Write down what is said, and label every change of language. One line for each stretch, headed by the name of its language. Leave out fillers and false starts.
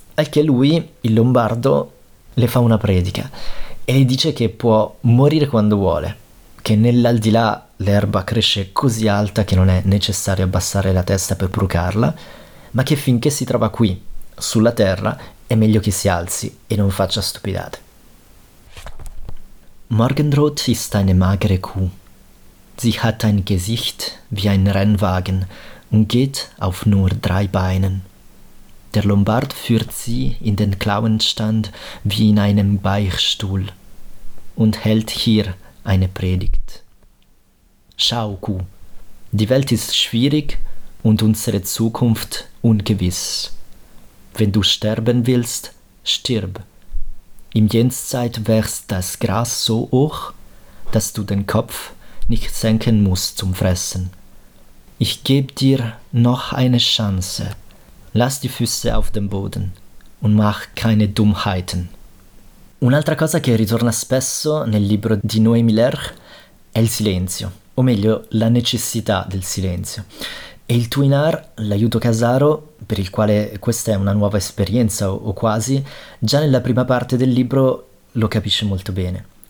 Italian: Al che lui, il Lombardo, le fa una predica e le dice che può morire quando vuole, che nell'aldilà l'erba cresce così alta che non è necessario abbassare la testa per brucarla, ma che finché si trova qui, sulla terra, è meglio che si alzi e non faccia stupidate.
German: Morgenroth ist eine magere Kuh. Sie hat ein Gesicht wie ein Rennwagen und geht auf nur drei Beinen. Der Lombard führt sie in den Klauenstand wie in einem Beichtstuhl und hält hier eine Predigt. Schau, Kuh, die Welt ist schwierig und unsere Zukunft ungewiss. Wenn du sterben willst, stirb. Im Jenseits wächst das Gras so hoch, dass du den Kopf nicht senken musst zum Fressen. Ich gebe dir noch eine Chance. Lass die Füße auf dem Boden und mach keine Dummheiten.
Italian: Un'altra cosa che ritorna spesso nel libro di Noémie Lerck è il silenzio, o meglio, la necessità del silenzio. E il Twinar, l'aiuto casaro, per il quale questa è una nuova esperienza o quasi, già nella prima parte del libro lo capisce molto bene.